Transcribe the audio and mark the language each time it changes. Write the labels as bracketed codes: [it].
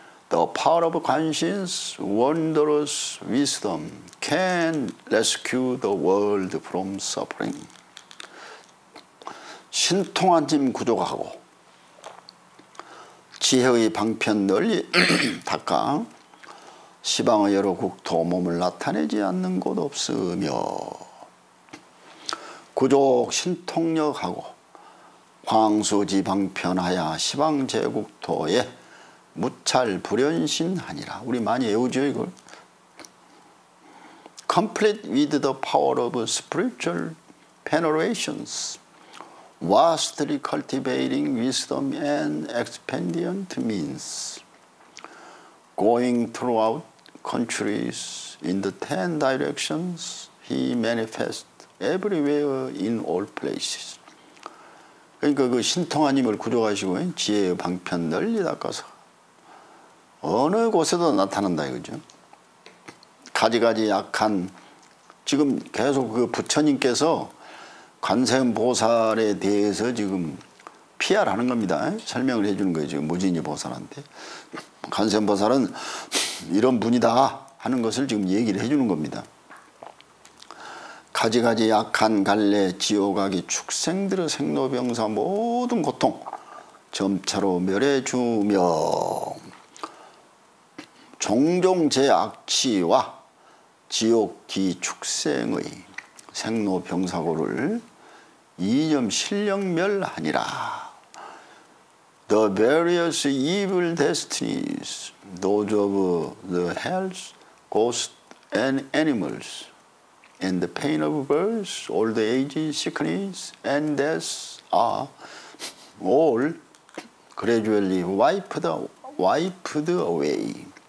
[en] The power of conscience, wondrous wisdom can rescue the world from suffering. [ko] 신통한 짐 구족하고 지혜의 방편 널리 닦아 시방의 여러 국토 몸을 나타내지 않는 곳 없으며 구족 신통력하고 광수지 방편하여 시방 제국토에 무찰 불연신하니라. 우리 많이 외우죠 이걸. [en] Complete with the power of spiritual penetrations, vastly cultivating wisdom and expedient means, going throughout countries in the 10 directions, he manifests everywhere in all places. [ko] 그러니까 그 신통하님을 구족하시고 지혜의 방편 널리 닦아서 어느 곳에도 나타난다 이거죠. 가지가지 약한 지금 계속 그 부처님께서 관세음보살에 대해서 지금 PR 하는 겁니다. 설명을 해주는 거예요 지금 무진이 보살한테. 관세음보살은 이런 분이다 하는 것을 지금 얘기를 해주는 겁니다. 가지가지 약한 갈래 지옥아기 축생들의 생로병사 모든 고통 점차로 멸해주며 종종 제 악취와 지옥기 축생의 생로병사고를 이념 실력멸하니라. [en] The various evil destinies, those of the hells, ghosts and animals, and the pain of birth, old age, sickness, and death are all gradually wiped away.